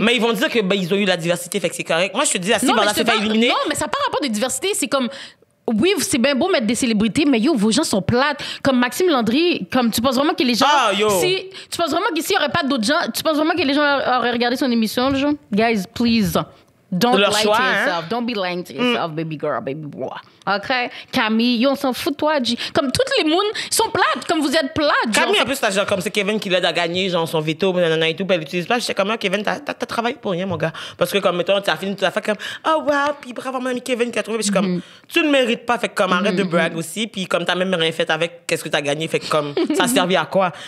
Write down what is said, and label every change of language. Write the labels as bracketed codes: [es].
[fr] Mais ils vont dire que, ben, ils ont eu la diversité, fait que c'est correct. Moi, je te dis, si Varda se fait éliminer. Non, mais ça n'a pas rapport de diversité, c'est comme. Oui, c'est bien beau mettre des célébrités, mais yo, vos gens sont plates. Comme Maxime Landry, comme tu penses vraiment que les gens... Ah, yo. Si, tu penses vraiment qu'ici, il n'y aurait pas d'autres gens... Tu penses vraiment que les gens auraient regardé son émission, le genre? [en] Guys, please, don't lie to yourself. Don't be lying to yourself, baby girl, baby boy. OK? [fr] Camille, yo, on s'en fout de toi, G. Comme toutes les mounes, ils sont plates, comme vous êtes plates. Camille, en plus, c'est genre comme c'est Kevin qui l'aide à gagner, genre son veto, nanana et tout, ben, l'utilise pas. Je sais comment, Kevin, t'as travaillé pour rien, mon gars. Parce que, comme, mettons, t'as fini, tu as fait comme, oh, wow, puis bravo, mon ami Kevin qui a trouvé. Je suis comme, tu ne mérites pas, fait comme, arrête de brag aussi, puis comme, t'as même rien fait avec, qu'est-ce que t'as gagné, fait comme, ça servit à quoi?